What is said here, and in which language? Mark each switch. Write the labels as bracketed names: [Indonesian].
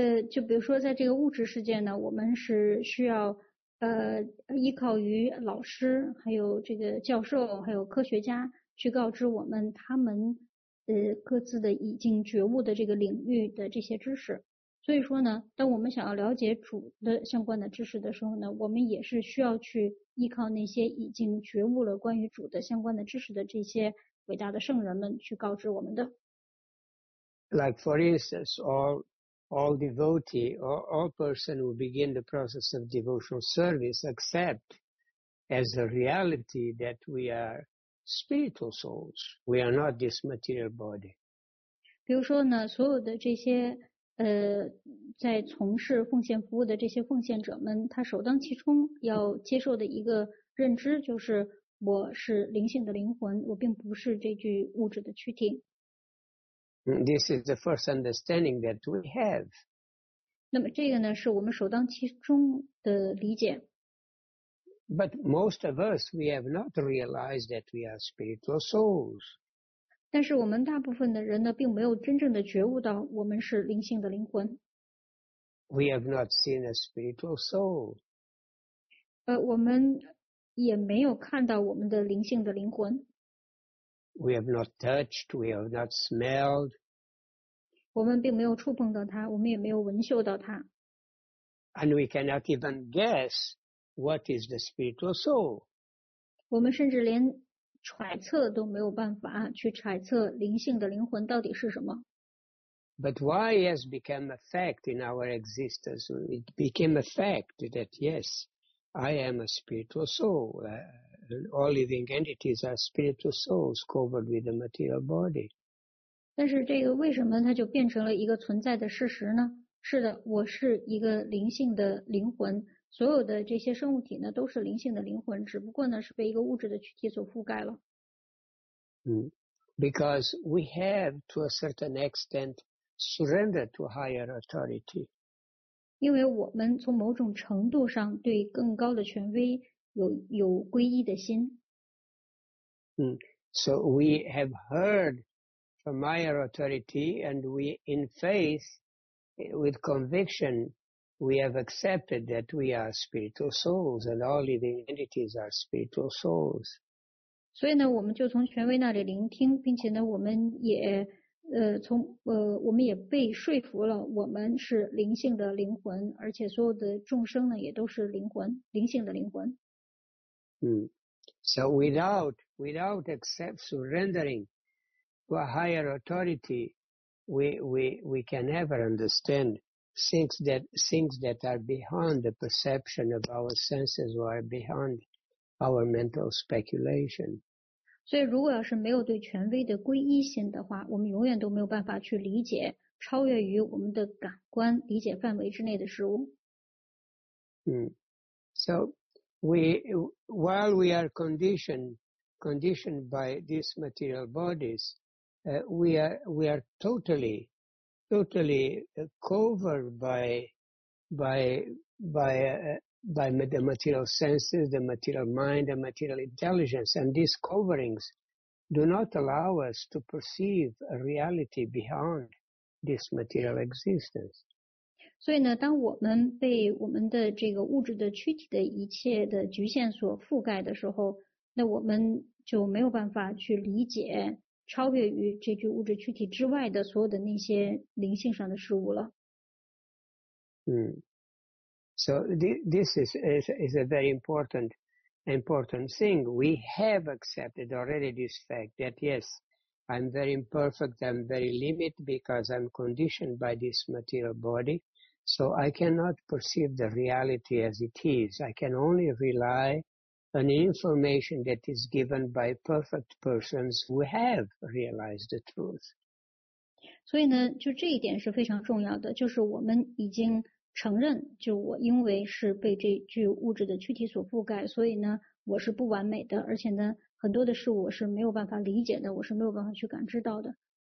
[Chinese] 就比如说在这个物质世界呢，我们是需要依靠于老师，还有这个教授，还有科学家去告知我们他们各自的已经觉悟的这个领域的这些知识。所以说呢，当我们想要了解主的相关的知识的时候呢，我们也是需要去依靠那些已经觉悟了关于主的相关的知识的这些伟大的圣人们去告知我们的。 [English] Like for instance, all devotee or all person who begin the process of devotional service accept as a reality that we are spiritual souls. We are not this material body. [Chinese] 比如说呢，所有的这些在从事奉献服务的这些奉献者们，他首当其冲要接受的一个认知就是，我是灵性的灵魂，我并不是这具物质的躯体。 [English] This is the first understanding that we have. [Chinese] 那么这个呢，是我们首当其冲的理解。 [English] But most of us, we have not realized that we are spiritual souls. [Chinese] 但是我们大部分的人呢，并没有真正的觉悟到我们是灵性的灵魂。 [English] We have not seen a spiritual soul. [Chinese] 我们也没有看到我们的灵性的灵魂。 [English] We have not touched, we have not smelled. [Chinese] 我们并没有触碰到它，我们也没有闻嗅到它。 [English] And we cannot even guess what is the spiritual soul. [Chinese] 我们甚至连揣测都没有办法去揣测灵性的灵魂到底是什么。 [English] But why has become a fact in our existence? It became a fact that yes, I am a spiritual soul. All living entities are spiritual souls covered with a material body. [Chinese] 但是这个为什么它就变成了一个存在的事实呢？是的，我是一个灵性的灵魂，所有的这些生物体呢都是灵性的灵魂，只不过呢是被一个物质的躯体所覆盖了。 [English] Because we have to a certain extent surrendered to higher authority. [Chinese] 因为我们从某种程度上对更高的权威有皈依的心。 [English] So we have heard from higher authority, and we, in faith, with conviction, we have accepted that we are spiritual souls, and all living entities are spiritual souls. [Chinese] 所以呢，我们就从权威那里聆听，并且呢，我们也我们也被说服了，我们是灵性的灵魂，而且所有的众生呢，也都是灵魂，灵性的灵魂。 [English] So without accept surrendering to a higher authority, we can never understand things that are beyond the perception of our senses or are beyond our mental speculation. [Chinese] 所以，如果要是没有对权威的皈依心的话，我们永远都没有办法去理解超越于我们的感官理解范围之内的事物。 [English] So while we are conditioned by these material bodies, we are totally covered by the material senses, the material mind, the material intelligence, and these coverings do not allow us to perceive a reality beyond this material existence. [Chinese] 所以呢，当我们被我们的这个物质的躯体的一切的局限所覆盖的时候，那我们就没有办法去理解超越于这具物质躯体之外的所有的那些灵性上的事物了。 [English] So this is a very important thing. We have accepted already this fact that yes, I'm very imperfect, I'm very limited because I'm conditioned by this material body, so I cannot perceive the reality as it is. I can only rely on information that is given by perfect persons who have realized the truth. [Chinese] 所以呢，就这一点是非常重要的，就是我们已经承认，就我因为是被这具物质的躯体所覆盖，所以呢，我是不完美的，而且呢，很多的事物我是没有办法理解的，我是没有办法去感知到的。